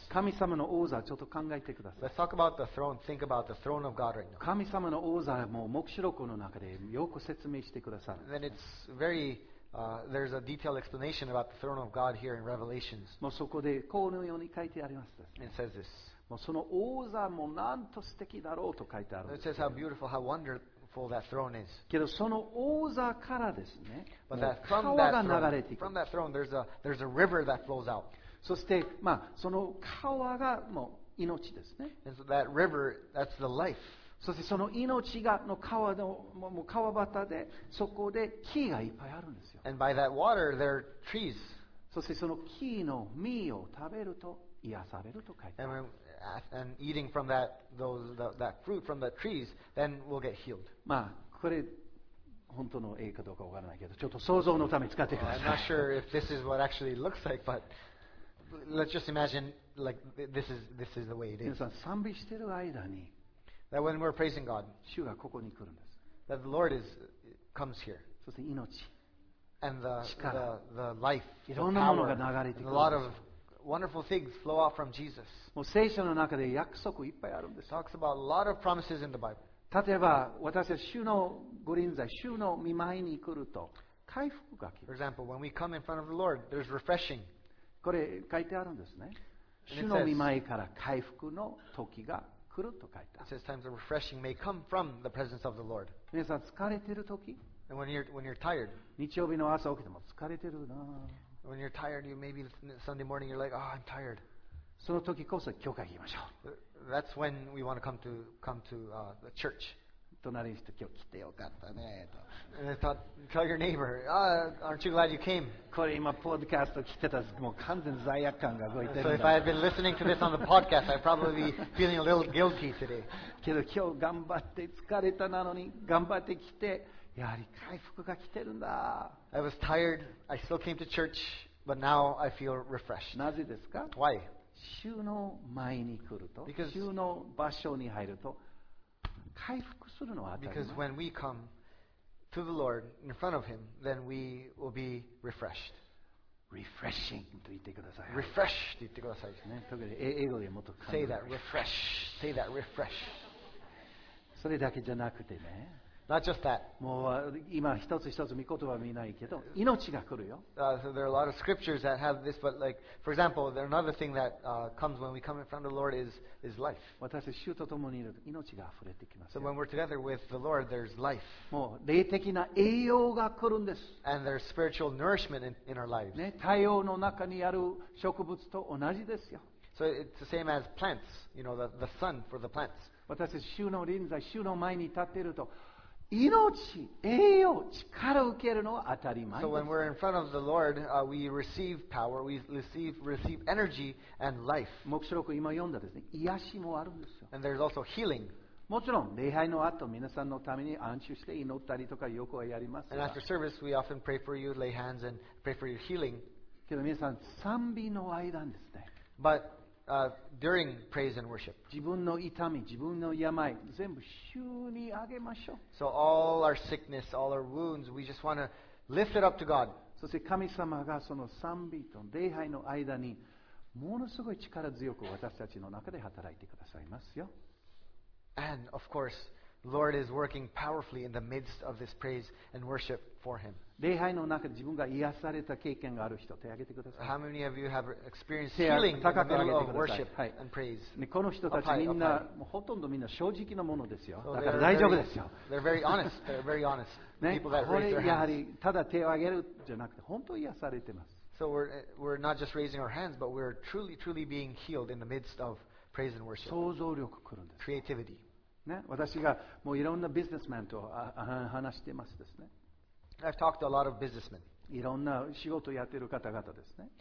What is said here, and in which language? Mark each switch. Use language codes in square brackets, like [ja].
[ja] 神様の王座ちょっと考えてください。 [en] Let's talk about the throne. Think about the throne of God right now. [ja] 神様の王座も黙示録の中でよく説明してくださる。 [en] Then it's very there's a detailed explanation about the throne of God here in Revelations. [ja] もうそこでこのように書いてあります。 [en] And it says this. [ja] その王座もなんと素敵だろうと書いてあるんです。 [en] It says how beautiful, how wonderful that throne is. [ja] けどその王座からですね、川が流れていく。 [en] From that throne, there's a river that flows out. [ja] そして、まあ、その川がもう命ですね。 [en] And so that river, that's the life. [ja] そしてその命がの川のもう川端で、そこで木がいっぱいあるんですよ。 [en] And by that water, there are trees. [ja] そしてその木の実を食べると癒されると書いてある。 [en] And eating from that, those, that fruit from the trees, then we'll get healed. [ja] まあ、これ本当の絵かどうかわからないけど、ちょっと想像のために使ってください。 [en] I'm not sure if this is what actually looks like, but let's just imagine like this is the way it is. [ja] 皆さん賛美してる間に、 [en] that when we're praising God, [ja] 主がここに来るんです。 [en] That the Lord is comes here. [ja] そして命、 [en] and the life, [ja] いろんなものが流れてくるんです。 [en] Wonderful things flow out from Jesus. [ja] もう聖書の中で約束いっぱいあるんです。 [en] Talks about a lot of promises in the Bible. [ja] 例えば私は主の御臨在、主の御前に来ると回復が来る。 [en] For example, when we come in front of the Lord, there's refreshing. [ja] これ書いてあるんですね。主の御前から回復の時が来ると書いてある。 [en] It says times of refreshing may come from the presence of the Lord. [ja] 皆さん疲れてる時？ [en] And when you're tired. [ja] 日曜日の朝起きても疲れてるな。 [en] When you're tired, you maybe Sunday morning you're like, "Oh, I'm tired." [ja] その時こそ教会行きましょう。 [en] That's when we want to come to the church. [ja] 隣の人今日来てよかったねと。 [en] And I thought, tell your neighbor, "Ah, aren't you glad you came?" [ja] これ今ポッドキャスト来てたらもう完全罪悪感が動いてるんだ。 [en] So if I had been listening to this on the podcast, I'd probably be feeling a little guilty today. [ja] けど今日頑張って疲れたなのに頑張って来て。やはり回復が来てるんだ。 [en] I was tired. I still came to church, but now I feel refreshed. [ja] なぜですか？ [en] Why? [ja] 主の前に来ると、 [en] Because、 [ja] 主の場所に入ると、回復するのは当たり前。 [en] Because when we come to the Lord in front of Him, then we will be refreshed. [ja] Refreshing と言ってください。 Refresh と言ってくださいね。特に英語でもっと。 [en] Say that refresh. Say that refresh. [ja] それだけじゃなくてね。 [en] Not just that. [ja] もう今一つ一つ御言葉は見ないけど命が来るよ。 [en] So there are a lot of scriptures that have this, but like for example, there another thing that comes when we come in front of the Lord is life. [ja] 私たち主と共にいると命が溢れてきます。 [en] So when we're together with the Lord, there's life. [ja] もう霊的な栄養が来るんです。 [en] And there's spiritual nourishment in our lives. [ja] ね、太陽の中にある植物と同じですよ。 [en] So it's the same as plants. You know, the sun for the plants. [ja] 私たち主の臨在、主の前に立っていると。命、栄養、力を受けるのは当たり前です。 [en] So when we're in front of the Lord, we receive power, we receive energy and life. [ja] 黙示録今読んだですね。癒しもあるんですよ。 [en] And there's also healing. [ja] もちろん礼拝の後皆さんのために安心して祈ったりとかよくはやりますが。 [en] And after service, we often pray for you, lay hands and pray for your healing. [ja] けど皆さん賛美の間ですね。 [en] But during praise and worship. [ja] 自分の痛み、自分の病、全部主にあげましょう。 [en] So all our sickness, all our wounds, we just want to lift it up to God. [ja] そして神様がその賛美と礼拝の間にものすごい力強く私たちの中で働いてくださいますよ。 [en] And of course, Lord is working powerfully in the midst of this praise and worship for Him. [ja] 礼拝の中で自分が癒された経験がある人、手を挙げてください。 [en] How many of you have experienced healing in the middle of worship and praise? [ja] ね、この人たちみんな、ほとんどみんな正直なものですよ。だから大丈夫ですよ。 [en] They're very honest. They're very honest. [ja] ね、これやはりただ手を挙げるじゃなくて、本当に癒されてます。 [en] So we're not just raising our hands, but we're truly, truly being healed in the midst of praise and worship. [ja] 想像力来るんです。 [en] Creativity. [ja] ね、私がもういろんなビジネスマンと話してますですね。 [en] I've talked to a lot of businessmen. [ja] いろんな仕事をやってる方々ですね。